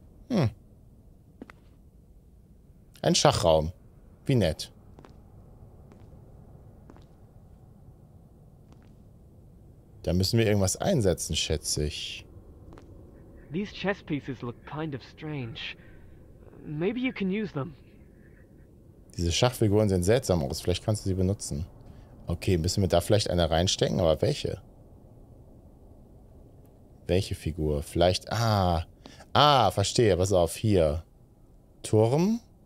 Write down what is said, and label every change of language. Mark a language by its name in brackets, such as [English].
[German] Hm. Ein Schachraum. Wie nett. Da müssen wir irgendwas einsetzen, schätze ich. [English] These chess pieces look kind of strange. Maybe you can use them. [German] Diese Schachfiguren sehen seltsam aus. Vielleicht kannst du sie benutzen. Okay, müssen wir da vielleicht eine reinstecken? Aber welche? Welche Figur? Vielleicht... verstehe. Pass auf, hier. Turm?